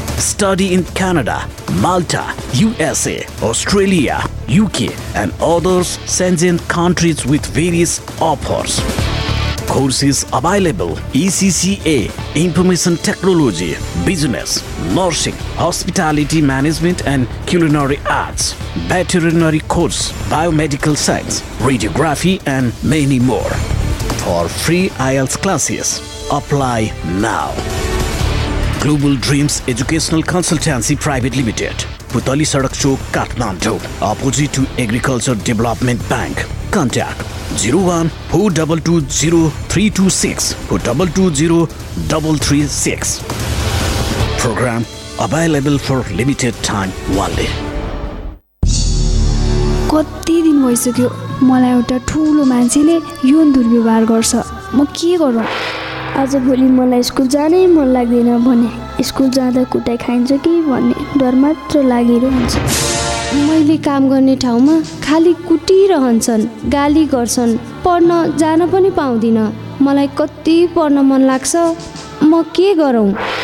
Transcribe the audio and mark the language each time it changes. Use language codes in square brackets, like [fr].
[en] Study in Canada Malta USA Australia UK and others Schengen countries with various offers Courses available ECCA, Information Technology, Business, Nursing, Hospitality Management and Culinary Arts, Veterinary Course, Biomedical Science, Radiography and many more. For free IELTS classes, apply now. Global Dreams Educational Consultancy Private Limited, Putali Sadak Chowk, Kathmandu, opposite to Agriculture Development Bank. Contact 01-422-0326 or 220-336. Program available for limited time only. [ne] कति दिन भइसक्यो मलाई एउटा ठुलो मान्छेले यौन दुर्व्यवहार गर्छ म के गरौँ आज भोलि मलाई स्कुल जानै मन लाग्दैन भने स्कुल जाँदा कुटाई खाइन्छ कि भन्ने डर मात्र लागिरहन्छ मैले काम गर्ने ठाउँमा खालि कुटिरहन्छन् गाली गर्छन् पढ्न जान पनि पाउँदिन मलाई कति पढ्न मन लाग्छ म के गरौँ